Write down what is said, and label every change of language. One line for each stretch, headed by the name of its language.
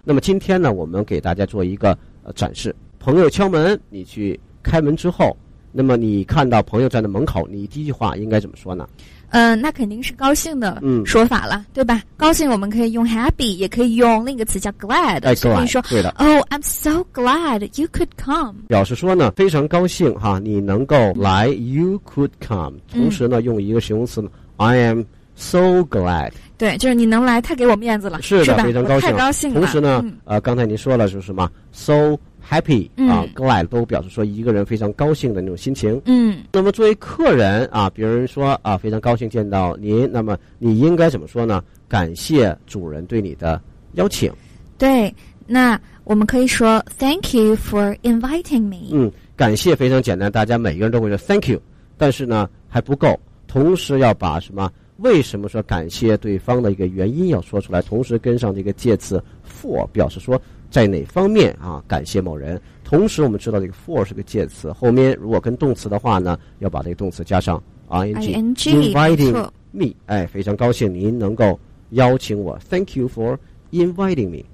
Chinese: 那么今天呢我们给大家做一个展示。朋友敲门，你去开门之后，那么你看到朋友站在门口，你第一句话应该怎么说呢？那肯定是高兴的说法了，对吧？高兴我们可以用 happy， 也可以用另一个词叫 glad。哎，所以说，对的。
English: Oh, I'm so glad you could come。
Chinese: 表示说呢，非常高兴哈，你能够来 ，
English: you could come。
Chinese: 同时呢，用一个形容词呢 ，
English: I am so glad。
Chinese: 对，就是你能来，太给我面子了。是的，是吧？非常高兴，太高兴了。同时呢，刚才您说了就是什么 ，so。happy 啊 ，glad 都表示说一个人非常高兴的那种心情。那么作为客人啊，别人说啊非常高兴见到您，那么你应该怎么说呢？感谢主人对你的邀请。
English: 对，那我们可以说 Thank you for inviting me。
Chinese: 嗯，感谢非常简单，大家每个人都会说
English: Thank you，
Chinese: 但是呢还不够，同时要把什么为什么说感谢对方的一个原因要说出来，同时跟上这个介词 for， 表示说在哪方面啊感谢某人。同时我们知道这个 for 是个介词，后面如果跟动词的话呢，要把这个动词加上 ing，
English: inviting me，
Chinese: 哎，非常高兴您能够邀请我，
English: Thank you for inviting me。